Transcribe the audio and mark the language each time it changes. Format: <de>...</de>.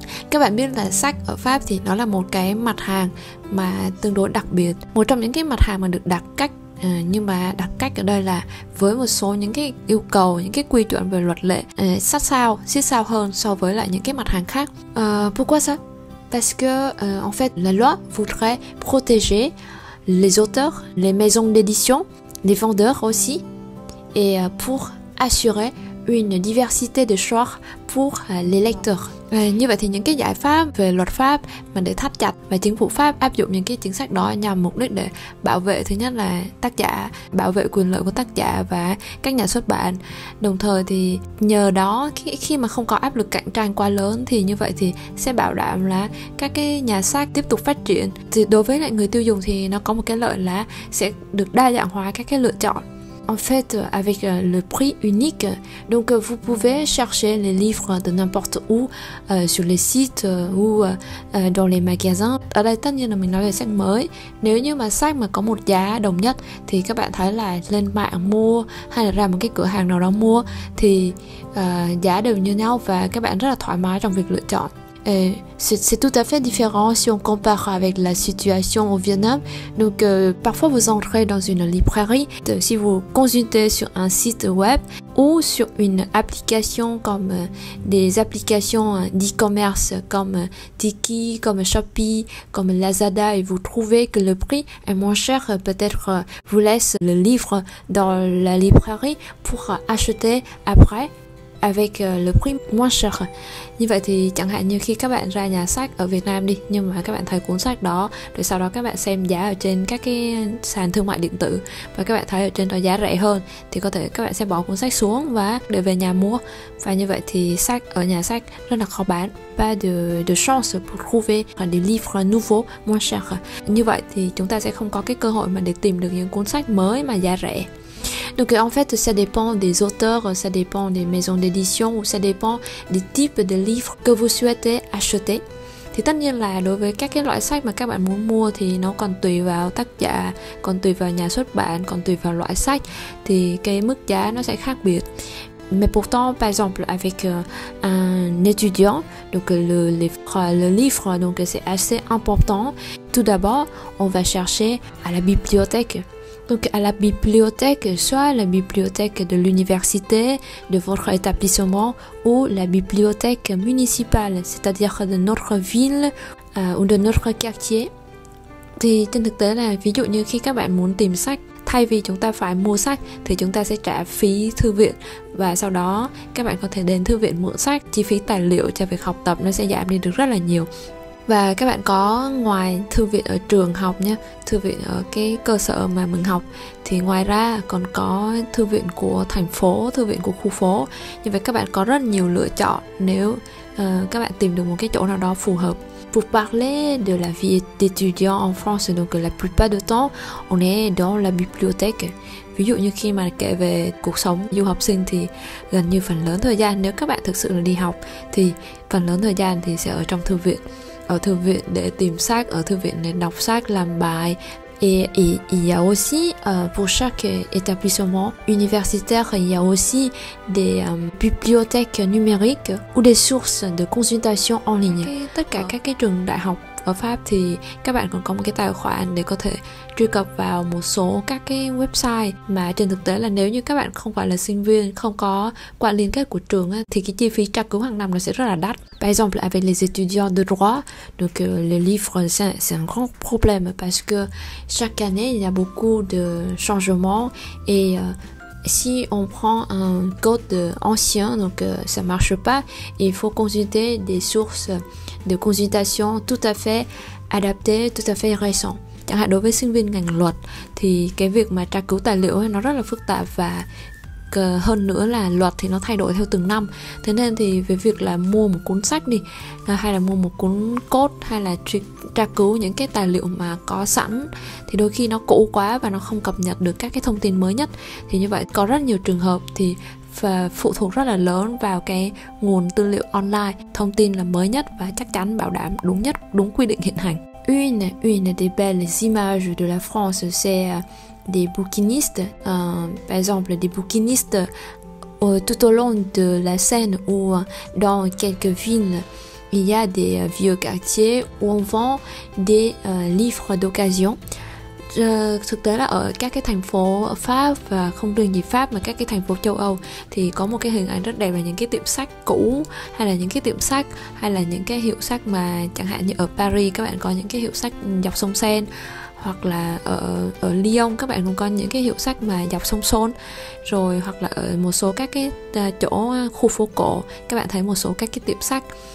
<vi>Các bạn biết là sách ở Pháp thì nó là một cái mặt hàng mà tương đối đặc biệt, một trong những cái mặt hàng mà được đặt cách. Nhưng mà đặc cách ở đây là với một số những cái yêu cầu, những cái quy chuẩn về luật lệ sát sao, siết sao hơn so với lại những cái mặt hàng khác.</vi> <fr>Pourquoi ça? Parce que en fait la loi voudrait protéger les auteurs, les maisons d'édition, les vendeurs aussi, et pour assurer une diversité de choix pour les lecteurs.</fr> <vi>Như vậy thì những cái giải pháp về luật pháp mà để thắt chặt và chính phủ Pháp áp dụng những cái chính sách đó nhằm mục đích để bảo vệ, thứ nhất là tác giả, bảo vệ quyền lợi của tác giả và các nhà xuất bản. Đồng thời thì nhờ đó khi mà không có áp lực cạnh tranh quá lớn thì như vậy thì sẽ bảo đảm là các cái nhà sách tiếp tục phát triển. Thì đối với lại người tiêu dùng thì nó có một cái lợi là sẽ được đa dạng hóa các cái lựa chọn.</vi> <fr>En fait, avec le prix unique, donc vous pouvez chercher les livres de n'importe où, sur les sites ou dans les magasins.</fr> <vi>Ở đây tất nhiên là mình nói về sách mới. Nếu như mà sách mà có một giá đồng nhất thì các bạn thấy là lên mạng mua hay là ra một cái cửa hàng nào đó mua thì giá đều như nhau và các bạn rất là thoải mái trong việc lựa chọn.</vi> <fr>C'est tout à fait différent si on compare avec la situation au Vietnam. Donc parfois vous entrez dans une librairie, si vous consultez sur un site web ou sur une application comme des applications d'e-commerce comme Tiki, comme Shopee, comme Lazada et vous trouvez que le prix est moins cher, peut-être vous laisse le livre dans la librairie pour acheter après avec le prix moins cher.</fr> <vi>Như vậy thì chẳng hạn như khi các bạn ra nhà sách ở Việt Nam đi, nhưng mà các bạn thấy cuốn sách đó, rồi sau đó các bạn xem giá ở trên các cái sàn thương mại điện tử và các bạn thấy ở trên đó giá rẻ hơn thì có thể các bạn sẽ bỏ cuốn sách xuống và để về nhà mua. Và như vậy thì sách ở nhà sách rất là khó bán.</vi> <fr>Pas de chance pour trouver des livres nouveaux moins cher.</fr> <vi>Như vậy thì chúng ta sẽ không có cái cơ hội mà để tìm được những cuốn sách mới mà giá rẻ.</vi> <fr>Donc en fait, ça dépend des auteurs, ça dépend des maisons d'édition ou ça dépend des types de livres que vous souhaitez acheter.</fr> <vi>Thì tất nhiên là đối với các cái loại sách mà các bạn muốn mua thì nó còn tùy vào tác giả, còn tùy vào nhà xuất bản, còn tùy vào loại sách thì cái mức giá nó sẽ khác biệt.</vi> <fr>Mais pourtant, par exemple, avec un étudiant, donc le livre, donc c'est assez important. Tout d'abord, on va chercher à la bibliothèque. Donc à la bibliothèque, soit la bibliothèque de l'université de votre établissement ou la bibliothèque municipale, c'est-à-dire de notre ville ou de notre quartier.</fr> <vi>Thì trên thực tế là ví dụ như khi các bạn muốn tìm sách, thay vì chúng ta phải mua sách thì chúng ta sẽ trả phí thư viện và sau đó các bạn có thể đến thư viện mượn sách, chi phí tài liệu cho việc học tập nó sẽ giảm đi được rất là nhiều. Và các bạn có ngoài thư viện ở trường học nha, thư viện ở cái cơ sở mà mình học, thì ngoài ra còn có thư viện của thành phố, thư viện của khu phố. Như vậy các bạn có rất nhiều lựa chọn nếu các bạn tìm được một cái chỗ nào đó phù hợp.</vi> <fr>Pour parler de la vie d'étudiant en France, donc la plupart du temps, on est dans la bibliothèque.</fr> <vi>Ví dụ như khi mà kể về cuộc sống du học sinh thì gần như phần lớn thời gian, nếu các bạn thực sự là đi học, thì phần lớn thời gian thì sẽ ở trong thư viện. Ở thư viện để tìm sách, ở thư viện để đọc sách, làm bài.</vi> <fr>Et il y a aussi, pour chaque établissement universitaire, il y a aussi des bibliothèques numériques ou des sources de consultation en ligne.</fr> <vi>Tất cả các cái trường đại học ở Pháp thì các bạn còn có một cái tài khoản để có thể truy cập vào một số các cái website. Mà trên thực tế là nếu như các bạn không phải là sinh viên, không có qua liên kết của trường thì cái chi phí tra cứu hàng năm nó sẽ rất là đắt.</vi> <fr>Par exemple, avec les étudiants de droit, donc les livres, c'est un grand problème parce que chaque année, il y a beaucoup de changements et si on prend un code ancien, donc ça ne marche pas, il faut consulter des sources de consultation tout à fait adaptées, tout à fait récentes.</fr> <vi>Chẳng hạn đối với sinh viên ngành luật, thì cái việc mà tra cứu tài liệu nó rất là phức tạp và hơn nữa là luật thì nó thay đổi theo từng năm. Thế nên thì về việc là mua một cuốn sách đi, hay là mua một cuốn code, hay là tra cứu những cái tài liệu mà có sẵn, thì đôi khi nó cũ quá và nó không cập nhật được các cái thông tin mới nhất. Thì như vậy có rất nhiều trường hợp thì phụ thuộc rất là lớn vào cái nguồn tư liệu online, thông tin là mới nhất và chắc chắn bảo đảm đúng nhất, đúng quy định hiện hành.</vi> <fr>Une des belles images de la France, c'est des bouquinistes, par exemple des bouquinistes tout au long de la Seine ou dans quelques villes, il y a des vieux quartiers où on vend des livres d'occasion.</fr> <vi>Thực tế là ở các cái thành phố Pháp và không riêng gì Pháp mà các cái thành phố châu Âu thì có một cái hình ảnh rất đẹp là những cái tiệm sách cũ hay là những cái tiệm sách hay là những cái hiệu sách mà chẳng hạn như ở Paris các bạn có những cái hiệu sách dọc sông Seine, hoặc là ở Lyon các bạn cũng có những cái hiệu sách mà dọc sông Saône, rồi hoặc là ở một số các cái chỗ khu phố cổ các bạn thấy một số các cái tiệm sách.</vi>